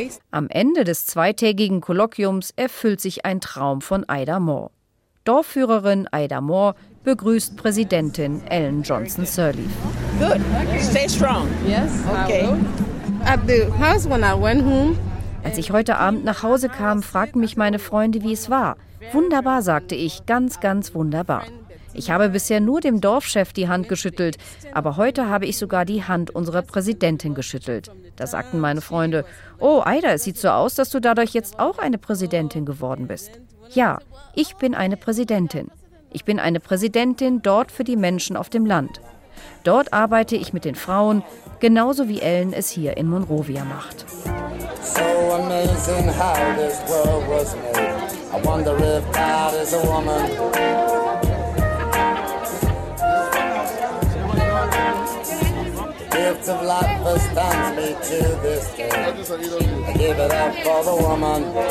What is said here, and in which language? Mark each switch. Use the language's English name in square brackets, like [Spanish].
[German] Am Ende des 2-tägigen Kolloquiums erfüllt sich ein Traum von Ida Moore. Dorfführerin Ida Moore begrüßt Präsidentin Ellen Johnson Sirleaf. [English] Good. Stay strong. Yes. Okay. At the house when I went home. [German] Als ich heute Abend nach Hause kam, fragten mich meine Freunde, wie es war. Wunderbar, sagte ich, ganz, ganz wunderbar. Ich habe bisher nur dem Dorfchef die Hand geschüttelt, aber heute habe ich sogar die Hand unserer Präsidentin geschüttelt. Da sagten meine Freunde, oh, Aida, es sieht so aus, dass du dadurch jetzt auch eine Präsidentin geworden bist. Ja, ich bin eine Präsidentin. Ich bin eine Präsidentin dort für die Menschen auf dem Land. Dort arbeite ich mit den Frauen, genauso wie Ellen es hier in Monrovia macht. [English] So amazing how this world was made. I wonder if God is a woman. Gift of life stands me to this day. I give it up for the woman.